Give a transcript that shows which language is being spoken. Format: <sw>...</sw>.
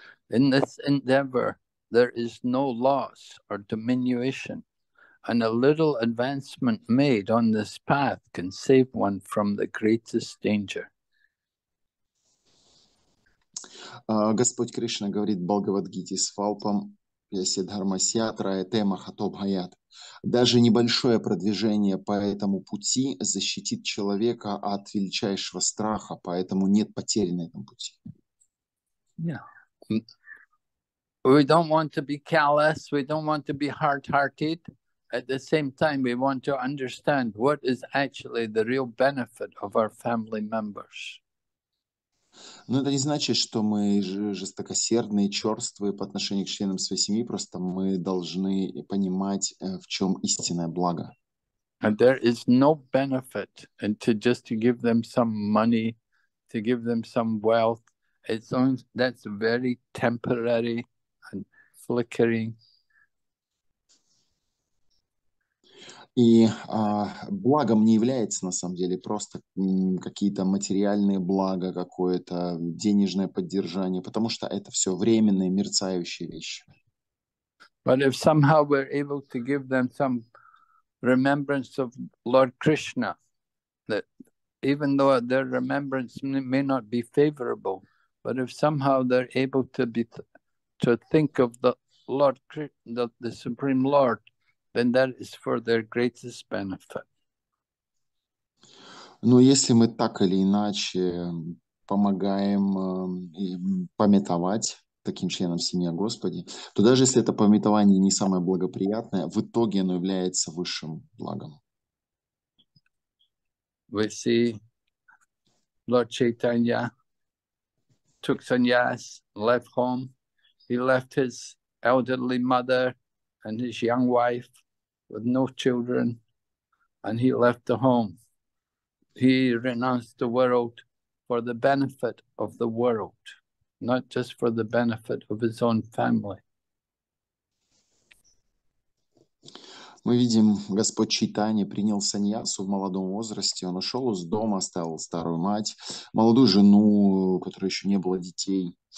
<en>In this endeavor, there is no loss or diminution, and a little advancement made on this path can save one from the greatest danger.</en> <ru>Господь Кришна говорит в Бхагавад-гите</ru> <sa>Свалпам Пьяси Дхармасья Траяте Махатобхаят.</sa> <ru>Даже небольшое продвижение по этому пути защитит человека от величайшего страха, поэтому нет потери на этом пути.</ru> <en>Yeah. We don't want to be callous, we don't want to be hard-hearted. At the same time, we want to understand what is actually the real benefit of our family members.</en> <ru>Но это не значит, что мы жестокосердные, черствые по отношению к членам своей семьи, просто мы должны понимать, в чем истинное благо.</ru> <en>And there is no benefit in to just to give them some money, to give them some wealth. It's only, that's very temporary and flickering.</en> <ru>И благом не является, на самом деле, просто какие-то материальные блага, какое-то денежное поддержание, потому что это все временные, мерцающие вещи.</ru> <en>But if somehow we're able to give them some remembrance of Lord Krishna, that even though their remembrance may not be favorable, but if somehow they're able to be to think of the Lord, the Supreme Lord, then that is for their greatest benefit.</en> <ru>Но если мы так или иначе помогаем памятовать таким членам семьи о Господе, то даже если это памятование не самое благоприятное, в итоге оно является высшим благом.</ru> <en>We see Lord Chaitanya took sannyas, left home. He left his elderly mother and his young wife with no children, and he left the home. He renounced the world for the benefit of the world, not just for the benefit of his own family.</en> <ru>Мы видим, Господь Чайтанья принял саньясу в молодом возрасте. Он ушел из дома, оставил старую мать, молодую жену, у которой еще не было детей.</ru>